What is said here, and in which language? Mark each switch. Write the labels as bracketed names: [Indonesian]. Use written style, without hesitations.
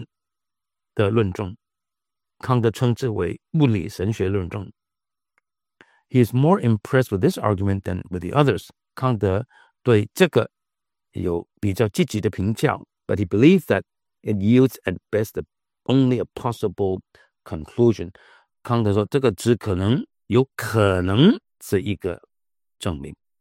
[Chinese] 同样的,目的论的论证, 康德称之为物理神学论证. [English] He is more impressed with this argument than with the others. [Chinese] 康德对这个有比较积极的评价, [English] but he believes that it yields at best only a possible conclusion. [Chinese] 康德说,这个只可能,有可能是一个证明.